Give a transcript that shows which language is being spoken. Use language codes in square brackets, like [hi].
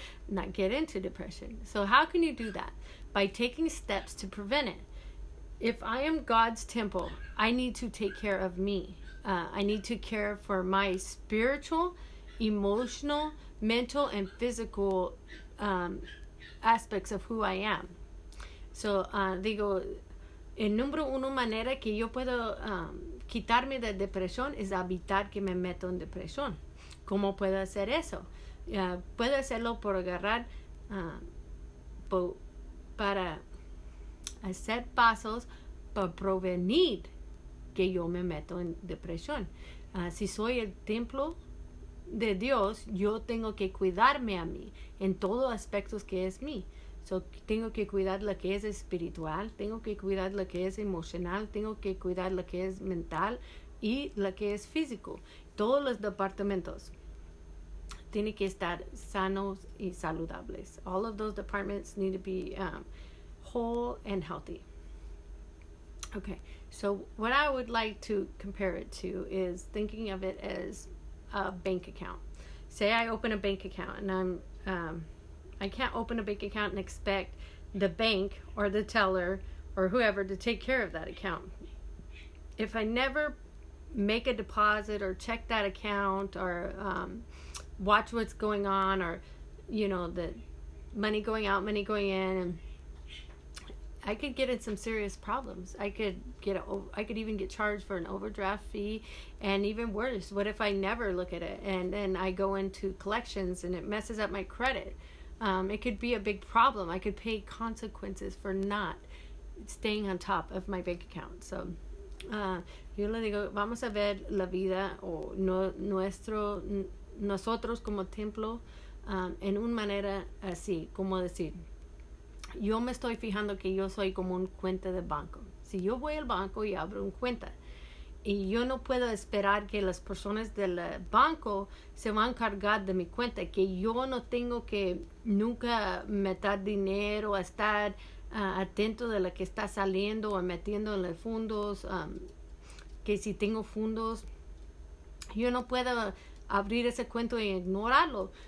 [en] Not get into depression. So how can you do that? By taking steps to prevent it. If I am God's temple, I need to take care of me. I need to care for my spiritual, emotional, mental, and physical aspects of who I am. [es] So digo, el número uno manera que yo puedo quitarme de depresión es evitar que me meto en depresión. ¿Cómo puedo hacer eso? Puedo hacerlo por agarrar para hacer pasos para prevenir que yo me meto en depresión. Si soy el templo de Dios, yo tengo que cuidarme a mí en todos aspectos que es mí. So, tengo que cuidar lo que es espiritual, tengo que cuidar lo que es emocional, tengo que cuidar lo que es mental y lo que es físico. Todos los departamentos tiene que estar sanos y saludables. [en] All of those departments need to be whole and healthy. Okay, so what I would like to compare it to is thinking of it as a bank account. Say I open a bank account and I can't open a bank account and expect the bank or the teller or whoever to take care of that account. If I never make a deposit or check that account or watch what's going on, or you know, the money going out, money going in, and I could get in some serious problems. I could even get charged for an overdraft fee, and even worse, what if I never look at it and then I go into collections and it messes up my credit? It could be a big problem. I could pay consequences for not staying on top of my bank account. [es] So yo le digo, vamos a ver la vida o nosotros como templo en una manera así, como decir, yo me estoy fijando que yo soy como un cuenta de banco. Si yo voy al banco y abro un cuenta y yo no puedo esperar que las personas del banco se van a encargar de mi cuenta, que yo no tengo que nunca meter dinero, estar atento de lo que está saliendo o metiendo en los fondos, que si tengo fondos, yo no puedo abrir ese cuento y ignorarlo.